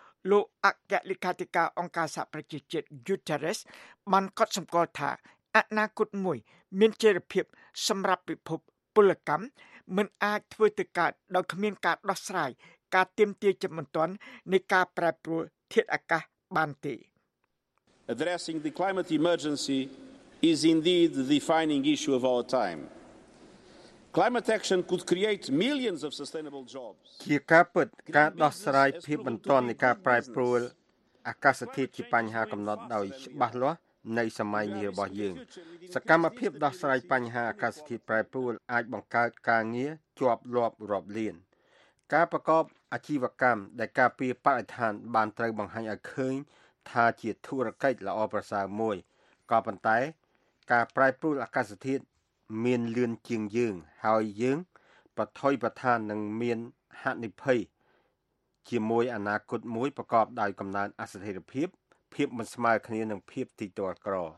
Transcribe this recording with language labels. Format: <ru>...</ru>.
<km>លោកអគ្គលេខាធិការអង្គការសហប្រជាជាតិ Guterres បានកត់សម្គាល់ថាអនាគតមួយមានចេរភាពសម្រាប់ពិភពពលកម្មមិនអាចធ្វើទៅកើតដោយគ្មានការដោះស្រាយការទៀមទាត់ចំណន់នៃការប្រែប្រួលធាតុអាកាសបានទេ</km> <en>Addressing the climate emergency is indeed the defining issue of our time. Climate action could create millions of sustainable jobs.</en> <km>ជាការពិតការដោះស្រាយភាពបន្ទាន់នៃការប្រែប្រួលអាកាសធាតុជាបញ្ហាកំណត់ដោយច្បាស់លាស់នៃសម័យនេះរបស់យើងសកម្មភាពដោះស្រាយបញ្ហាអាកាសធាតុប្រែប្រួលអាចបង្កើតការងារជាប់លាប់រាប់លាន ការប្រកបអាជីវកម្មដែលការពារបរិស្ថានបានត្រូវបង្ហាញឲ្យឃើញថាជាធុរកិច្ចល្អប្រសើរមួយក៏ប៉ុន្តែការប្រែប្រួលអាកាសធាតុមានលឿនជាងយើងហើយយើងប្រថុយប្រថាននឹងមានហានិភ័យជាមួយអនាគតមួយប្រកបដោយកំណើនអស្ថិរភាពភាពមិនស្មើគ្នានិងភាពទីទាល់ក្រ</km>